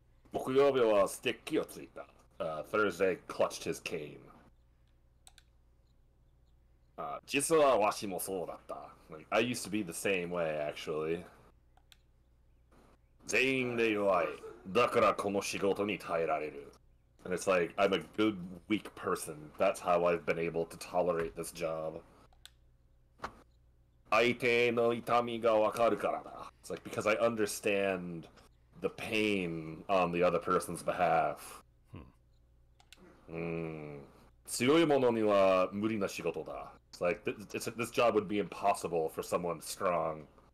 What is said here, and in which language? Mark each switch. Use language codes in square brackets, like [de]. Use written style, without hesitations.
[ja] 木曜日はステッキをついた。 [en] Thursday clutched his cane. [ja] 実はわしもそうだった。 [en] Like, I used to be the same way, actually. [ja] 全員で弱い。だからこの仕事に耐えられる。 [en] And it's like, I'm a good, weak person. That's how I've been able to tolerate this job. [ja] 相手の痛みがわかるからだ。 [en] It's like, because I understand the pain on the other person's behalf. Hmm. [ja] 強い者には無理な仕事だ。 [en] It's like, this job would be impossible for someone strong.